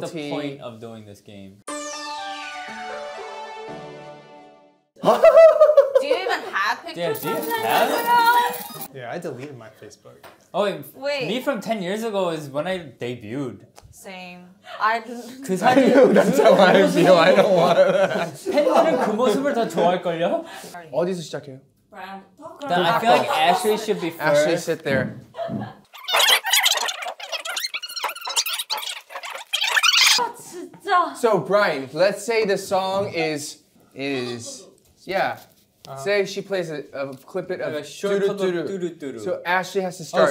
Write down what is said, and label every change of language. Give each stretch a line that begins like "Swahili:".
English: What's the point of doing this game? Do you even have pictures? Yeah, do you from have? Yeah, I deleted my Facebook. Oh wait, me from 10 years ago is when I debuted. Same. I knew that's how I feel. I don't want to.
Korean: 팬들은 그 모습을 더 좋아할걸요? 어디서 시작해요?
English: Then I feel like Ashley should be first. Ashley, sit there. So Brian, let's say the song is yeah. Uh-huh. Say she plays a clip it of so Ashley has to start.